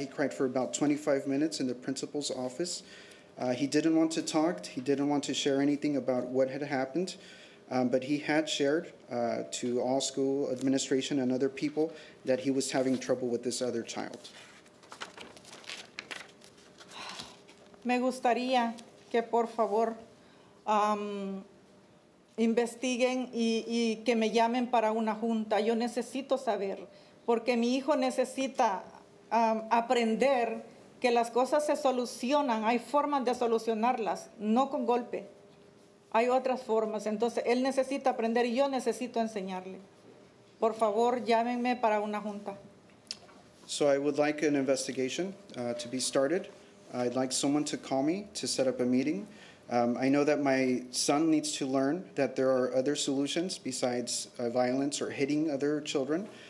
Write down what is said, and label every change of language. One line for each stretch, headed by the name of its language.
English: He cried for about 25 minutes in the principal's office. He didn't want to talk. He didn't want to share anything about what had happened. But he had shared to all school administration and other people that he was having trouble with this other child.
Spanish: Me gustaría que, por favor, investiguen y que me llamen para una junta. Yo necesito saber, porque mi hijo necesita aprender que las cosas se solucionan. Hay formas de solucionarlas, no con golpe. Hay otras formas. Entonces, él necesita aprender y yo necesito enseñarle. Por favor, llámenme para una junta.
English: So I would like an investigation to be started. I'd like someone to call me to set up a meeting. I know that my son needs to learn that there are other solutions besides violence or hitting other children.